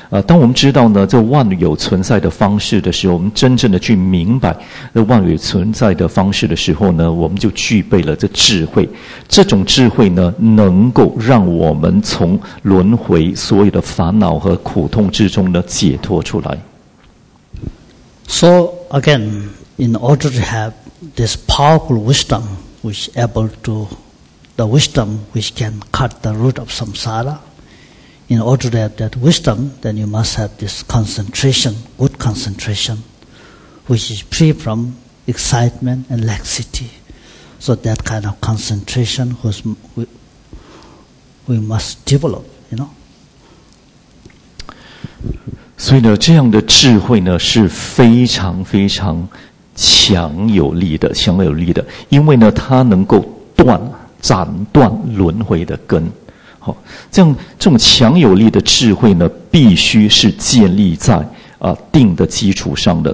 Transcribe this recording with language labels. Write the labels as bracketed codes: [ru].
[zh] 当我们知道呢这万有存在的方式的时候，我们真正的去明白这万有存在的方式的时候呢，我们就具备了这智慧。这种智慧呢，能够让我们从轮回所有的烦恼和苦痛之中呢解脱出来。 [en] So again, in order to have this powerful wisdom, which able to, the wisdom which can cut the root of samsara, in order to have that wisdom, then you must have this concentration, good concentration, which is free from excitement and laxity. So that kind of concentration we must develop, you know. [zh] 所以呢，这样的智慧呢，是非常非常强有力的，强有力的，因为呢，它能够斩断轮回的根。好，这种强有力的智慧呢，必须是建立在定的基础上的。